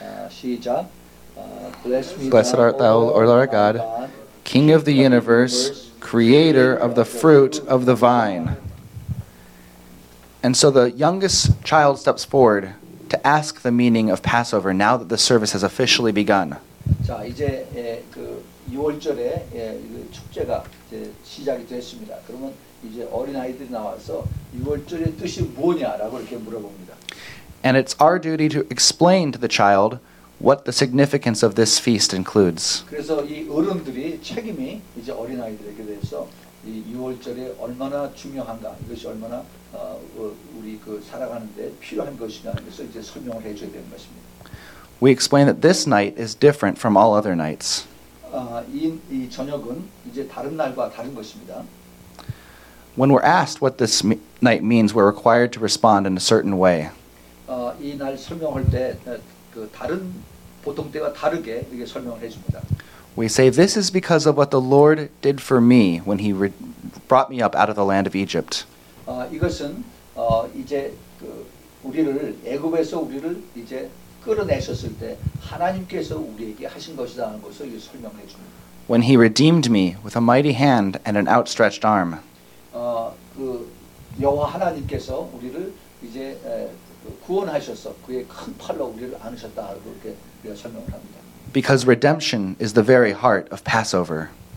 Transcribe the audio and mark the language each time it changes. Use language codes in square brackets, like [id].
[ko] 시작. [en] Blessed art thou, Lord our God, King of the universe, creator of the fruit of the vine. And so the youngest child steps forward to ask the meaning of Passover now that the service has officially begun. [ko] 자, 이제 그 유월절에 그 축제가 이제 시작이 됐습니다. 그러면 이제 어린아이들이 나와서 유월절의 뜻이 뭐냐라고 이렇게 물어봅니다. [en] And it's our duty to explain to the child what the significance of this feast includes. [ko] 그래서 이 어른들이 책임이 이제 어린아이들에게 대해서 이 유월절이 얼마나 중요한가 이것이 얼마나 우리 그 살아가는데 필요한 것인가 그래서 이제 설명을 해줘야 되는 것입니다. [en] We explain that this night is different from all other nights. [ko] 이 저녁은 이제 다른 날과 다른 것입니다. [en] When we're asked what this night means, we're required to respond in a certain way. [ko] 이날 설명할 때 그 다른 보통 때와 다르게 이게 설명을 해줍니다. [en] We say this is because of what the Lord did for me when He brought me up out of the land of Egypt. [ko] 이것은 이제 그 우리를 애굽에서 우리를 이제 끌어내셨을 때 하나님께서 우리에게 하신 것이라는 것을 이게 설명해 줍니다. [en] When He redeemed me with a mighty hand and an outstretched arm. [ko] 그 여호와 하나님께서 우리를 이제 구원하셨어 그의 큰 팔로 우리를 안으셨다 그렇게 우리가 설명을 합니다. [en] Because redemption is the very heart of Passover.